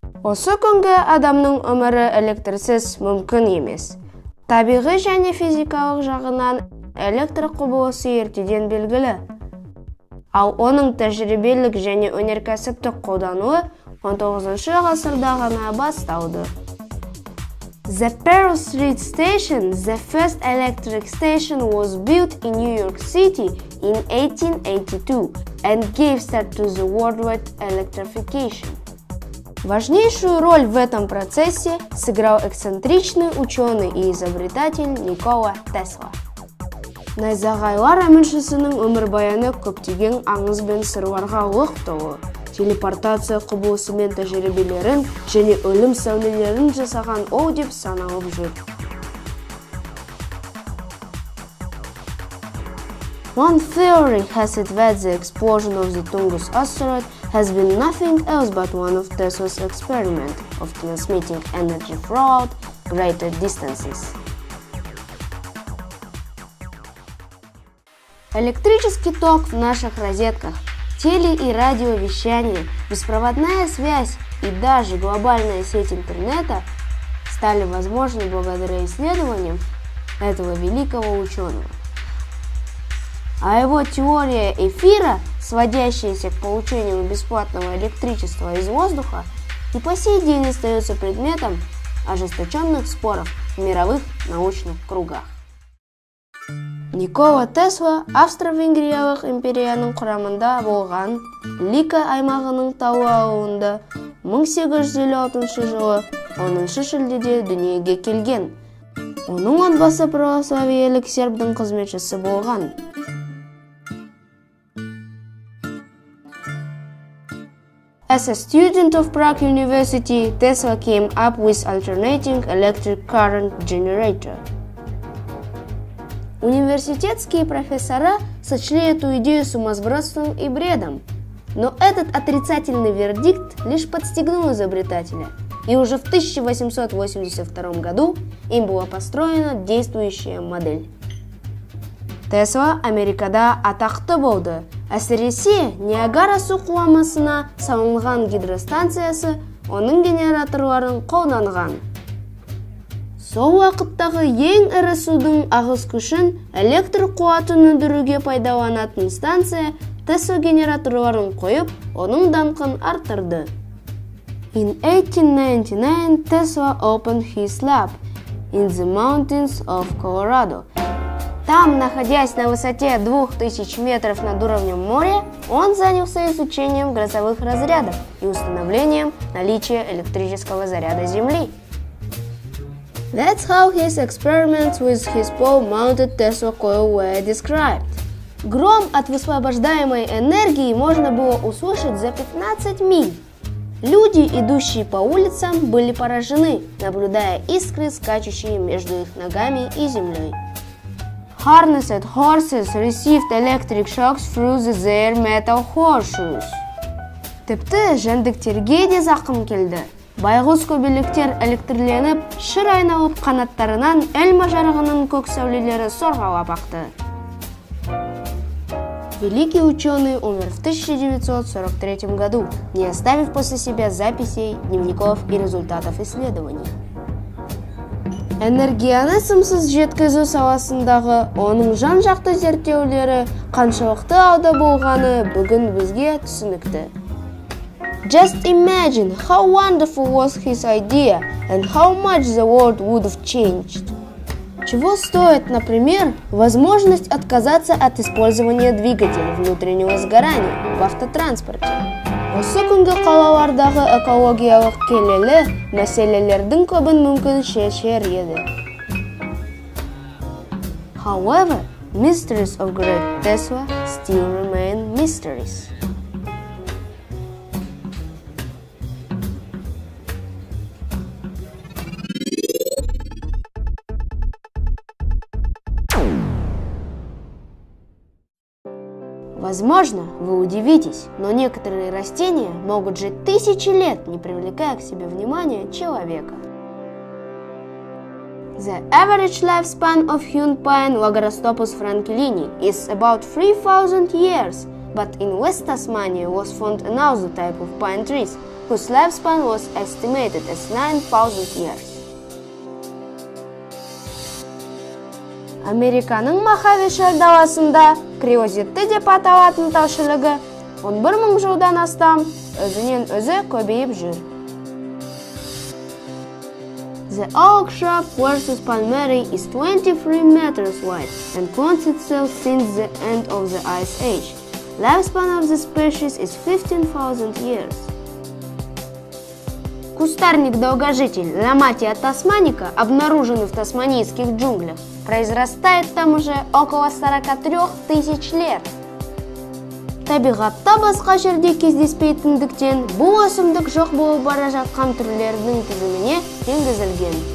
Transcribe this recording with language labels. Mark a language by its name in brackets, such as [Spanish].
[Kazakh] Осы күнгі адамның өмірі электрсіз мүмкін емес. Табиғи және физикалық жағынан электр құбылысы ертеден белгілі. Ал оның тәжірибелік және өнеркәсіптік қолдануы 19-шы ғасырда ғана басталды. [English] The Pearl Street Station, the first electric station, was built in New York City in 1882 and gave start to the worldwide electrification. [Russian] Важнейшую роль в этом процессе сыграл эксцентричный ученый и изобретатель Никола Тесла. [Kazakh] Найзағайлар әміншісінің өмірбаяны көптеген аңыз бен сырларға лық толы. Телепортация құбылысы мен тәжірибелерін және өлім сәулелерін жасаған ол деп саналып жүр. [English] One theory has it that the explosion of the Tungus asteroid has been nothing else but one of Tesla's experiment of transmitting energy throughout greater distances. [Russian] Электрический ток в наших розетках, теле- и радиовещание, беспроводная связь и даже глобальная сеть интернета стали возможны благодаря исследованиям этого великого ученого. А его теория эфира, сводящаяся к получению бесплатного электричества из воздуха, и по сей день остается предметом ожесточенных споров в мировых научных кругах. [Kazakh] Никола Тесла Австро-Венгриялық империяның құрамында болған Лика аймағының тауы ауында 1856 жылы 10 шілдеде дүниеге келген. Оның отбасы православиелік сербдің қызметшісі болған. [English] As a student of Prague University, Tesla came up with alternating electric current generator. [Russian] Университетские профессора сочли эту идею сумасбродством и бредом. Но этот отрицательный вердикт лишь подстегнул изобретателя. И уже в 1882 году им была построена действующая модель. [Kazakh] Тесла Америкада атақты болды. Әсіресе Ниагара су құламасына салынған гидростанциясы оның генераторларын қолданған. Сол уақыттағы ең ірі судың ағыс күшін электр қуатын өндіруге пайдаланатын станция Тесла генераторларын қойып, оның даңқын артырды. [English] In 1899, Tesla opened his lab in the mountains of Colorado. [Russian] Там, находясь на высоте 2000 метров над уровнем моря, он занялся изучением грозовых разрядов и установлением наличия электрического заряда Земли. [English] That's how his experiments with his pole-mounted Tesla coil were described. [Russian] Гром от высвобождаемой энергии можно было услышать за 15 миль. Люди, идущие по улицам, были поражены, наблюдая искры, скачущие между их ногами и землей. [English] Harnessed horses received electric shocks through their metal horseshoes. [Kazakh] Тіпті жәндіктерге де зақым келді. Байғыз көбелектер электрленіп, шыр айналып қанаттарынан әлма жарығының көк сәулелері сорғала бақты. [Russian] Великий ученый умер в 1943 году, не оставив после себя записей, дневников и результатов исследований. [Kazakh] Энергияны сымсыз жеткізу саласындағы оның жан-жақты зерттеулері қаншалықты алда болғаны бүгін бізге түсінікті. [English] Just imagine how wonderful was his idea and how much the world would have changed. [Russian] Чего стоит, например, возможность отказаться от использования двигателя внутреннего сгорания в автотранспорте? [Kazakh] Осы күнгі қалалардағы экологиялық келелі мәселелердің көбін мүмкін шешер еді. [English] However, mysteries of great Tesla still remain mysteries. [Russian] Возможно, вы удивитесь, но некоторые растения могут жить тысячи лет, не привлекая к себе внимания человека. [English] The average lifespan of hewn pine Lagerostopus franklini is about 3,000 years, but in West Tasmania was found another type of pine trees, whose lifespan was estimated as 9,000 years. [Kazakh] Американың Махави шардаласында криозитті деп аталатын талшылығы 11,000 жылдан астам өзінен өзі көбейіп жүр. [English] The oak shrub versus palmeri is 23 meters wide and clones itself since the end of the ice age. Lifespan of the species is 15,000 years. [Russian] Кустарник-долгожитель Ламатия тасманика, обнаруженный в тасманийских джунглях, произрастает там уже около 43 тысяч лет. [Kazakh] Табиғатта басқа жерде кездеспейтіндіктен, бұл өсімдік жоқ болып бара жатқан түрлердің тізіміне енгізілген.